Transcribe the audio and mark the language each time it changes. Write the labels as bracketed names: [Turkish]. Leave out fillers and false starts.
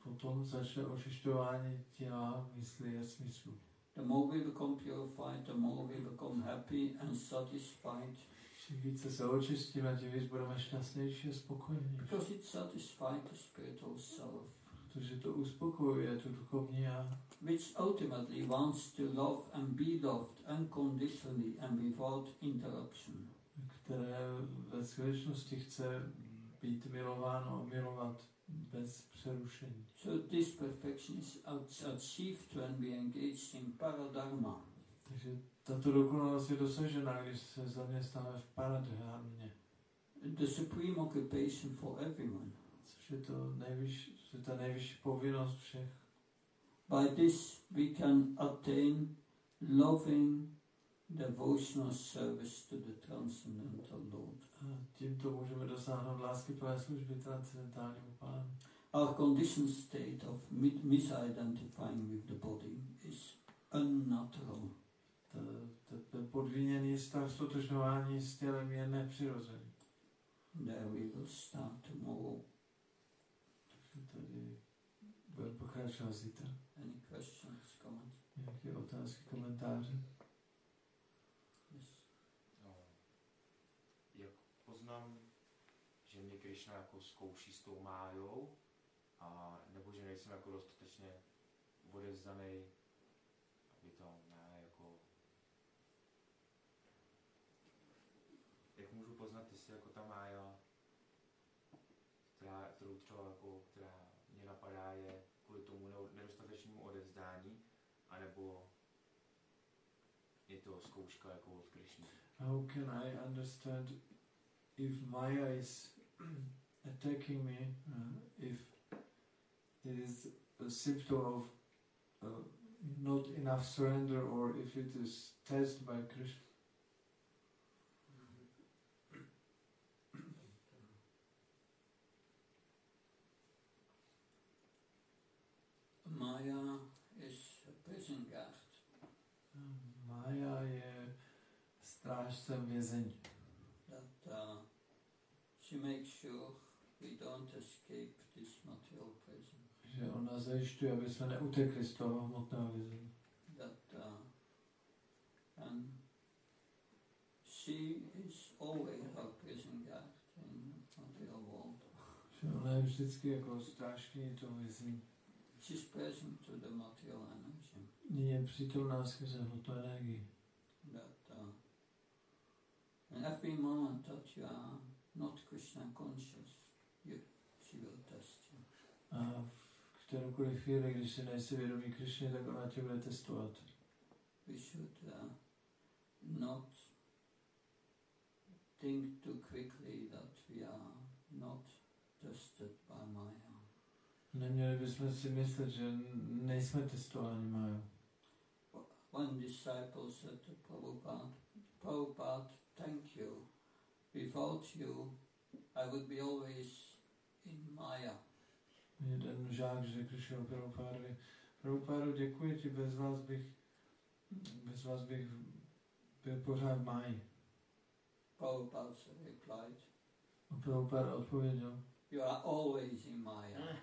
[Czech] Potom začne očišťování těla, mysli a smyslu. [English] The more we become purified, the more we become happy and satisfied. [Czech] Čím více se očistíme, tím víc budeme šťastnější a spokojenější. [English] Because it satisfies the spiritual self. [Czech] Protože to uspokojuje tu duchovní já. [English] Which ultimately wants to love and be loved unconditionally and without interruption. [Czech] Které ve skutečnosti chce být milováno a milovat bez přerušení. [English] So this perfection is achieved when we engage in paradharma. [Czech] Takže tato dokonalost je dosažena, když se zaměstnáme v paradharmě. [English] The supreme occupation for everyone. [Czech] Což je to nejvyšší povinnost všech. [English] By this we can attain loving devotional service to the transcendental Lord. [Czech] Tímto můžeme dosáhnout lásky plné služby transcendentálnímu Pánu. [English] Our conditioned state of misidentifying with the body is unnatural. [Czech] Ten podviněný stav stotožňování s tělem je nepřirozený. [English] There we will start tomorrow. [Czech] Takže tady budeme pokračovat zítra. [English] Any questions, comments? [Czech] Nějaké otázky, komentáře? [English] Yes. [Czech] No, jak poznám, že mě Krishna jako zkouší s tou májou, a nebo že nejsem jako dostatečně odevzdaný, aby to ne, jako... Jak můžu poznat, jestli jako ta mája, která mě napadá, je kvůli tomu nedostatečnému odevzdání, anebo je to zkouška jako od Krishny. [English] How can I understand if Maya is attacking me, if it is a symptom of not enough surrender, or if it is test by Krishna? Maya is a prison guard. [Czech] Maya je strážce vězení. [English] That she makes sure we don't escape this material prison. [Czech] Že ona zajišťuje, aby jsme neutekli z toho hmotného vězení. [English] That and she is always a prison guard in material world. [Czech] Že ona je vždycky jako strážkyně toho vězení. [English] She's present to the material energy. [Czech] Je přítomná skrze hmotnou energii. [English] That and every moment that you are not Krishna conscious, she will test you. [Czech] A v kterémkoliv chvíli, když si nejsi vědomý Krishna, tak ona tě bude testovat. [English] We should not think too quickly that we are not tested by Maya. [Czech] Neměli bychom si myslet, že nejsme testováni, Majo. [English] One disciple said to Prabhupada, Prabhupada, thank you. Without you, I would be always in Maya. [Czech] Jeden žák řekl Prabhupádovi, Prabhupádo, děkuji ti, bez vás bych byl pořád v Maji. [English] Prabhupada replied. [Czech] A Prabhupáda odpověděl. [English] You are always in Maya.